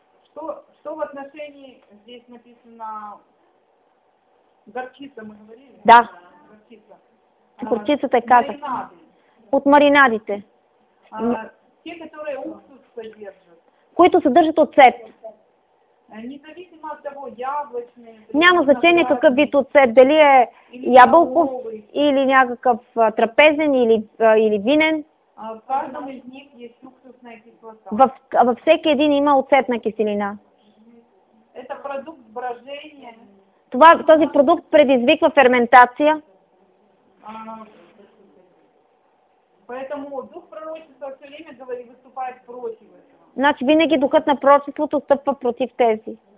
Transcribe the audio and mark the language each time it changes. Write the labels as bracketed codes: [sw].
[ru] Что в отношении здесь написано горчица, мы говорили? Да. Горчица. [bg] Горчицата е казах. От маринадите. [ru] Те, которые уксус содержат. [bg] Които съдържат оцет. [ru] Независимо от того, яблочный. [bg] Няма значение какъв вид оцет, дали е ябълков или някакъв трапезен или винен. [ru] В каждом из них есть уксусная кислота. [bg] Във всеки един има оцетна киселина. [ru] Это продукт брожения. [bg] Този продукт предизвиква ферментация. [ru] Поэтому дух пророчества все время говорит, выступает против этого. [bg] Значи винаги духът на пророчеството стъпва против тези.